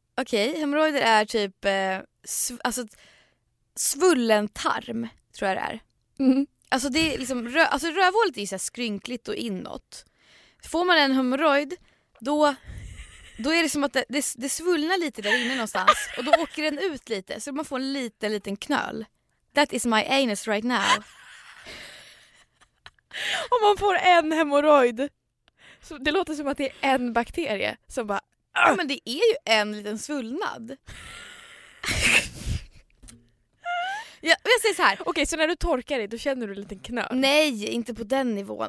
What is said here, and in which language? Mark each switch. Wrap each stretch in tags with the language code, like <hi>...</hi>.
<sv>Okej, hemorrojder är typ svullen tarm, tror jag det är. Mm. Alltså det är liksom rövhålet är så här skrynkligt och inåt. Får man en hemorrojd, då då är det som att det svullnar lite där inne någonstans. Och då åker den ut lite. Så man får en liten knöl.</sv> <en>That is my anus right now.</en> <sv>Om man får en hemorrhoid. Så det låter som att det är en bakterie som bara... Ja, men det är ju en liten svullnad. Ja, jag säger så här. Okej, så när du torkar dig, då känner du en liten knöl? Nej, inte på den nivån.</sv>